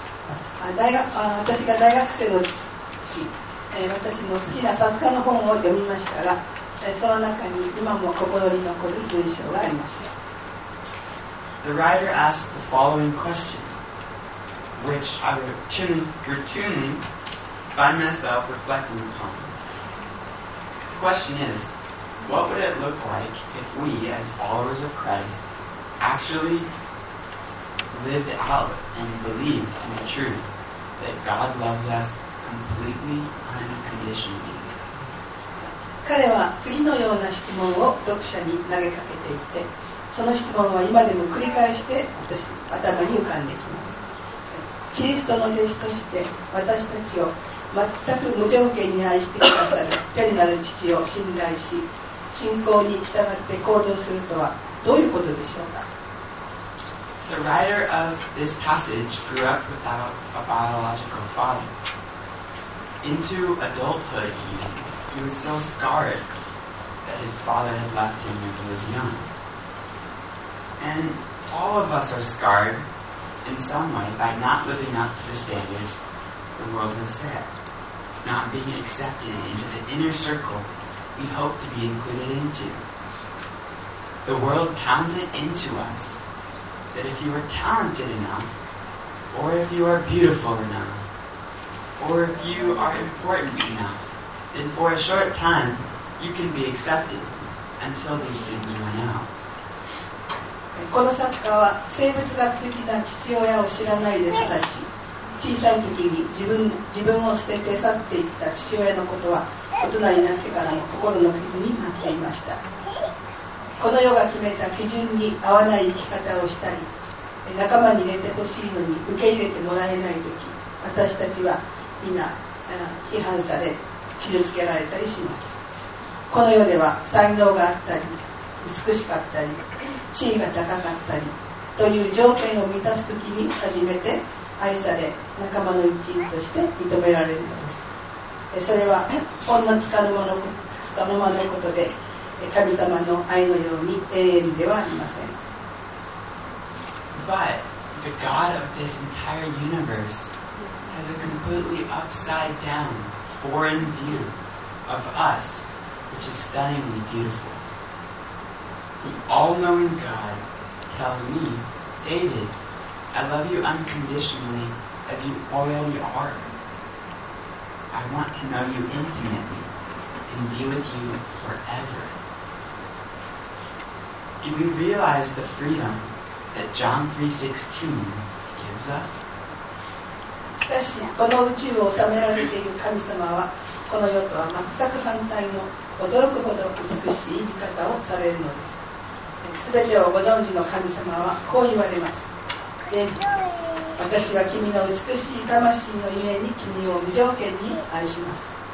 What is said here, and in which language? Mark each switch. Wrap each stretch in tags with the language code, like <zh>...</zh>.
<ja>私が大学生の時、私の好きな作家の本を読みましたが、その中に今も心に残る文章がありました。</ja> <en>The writer asked the following question, which I routinely find myself reflecting upon. The question is, what would it look like if we, as followers of Christ, actually lived out and believed in the truth that God loves us completely unconditionally.</en> <ja>彼は次のような質問を読者に投げかけていて、その質問は今でも繰り返して私頭に浮かんできます。キリストの弟子として私たちを全く無条件に愛してくださる天なる父を信頼し、信仰に従って行動するとはどういうことでしょうか。</ja> <en>The writer of this passage grew up without a biological father. Into adulthood, he was so scarred that his father had left him when he was young. And all of us are scarred in some way by not living up to the standards the world has set, not being accepted into the inner circle we hope to be included into. The world pounds it into us. That if you are talented enough, or if you are beautiful enough, or if you are important enough, then for a short time you can be accepted until these things run out.</en> <ja>この作家は生物学的な父親を知らないで育ち、小さい時に自分を捨てて去っていった父親のことは、大人になってからも心の傷になっていました。この世が決めた基準に合わない生き方をしたり、仲間に入れてほしいのに受け入れてもらえないとき、私たちは皆批判され、傷つけられたりします。この世では才能があったり、美しかったり、地位が高かったり、という条件を満たすときに初めて愛され、仲間の一員として認められるのです。それはほんのつかの間のこと、つかの間のことで、神様の愛のように永遠ではありません。</ja> <en>But the God of this entire universe has a completely upside down foreign view of us, which is stunningly beautiful. The all-knowing God tells me, David, I love you unconditionally as you already are. I want to know you intimately and be with you foreverDo we realize the freedom that John 3:16 gives us?</en> <ja>しかし、この宇宙を治められている神様は、この世とは全く反対の驚くほど美しい生き方をされるのです。すべてをご存知の神様はこう言われます。で、私は君の美しい魂のゆえに君を無条件に愛します。</ja>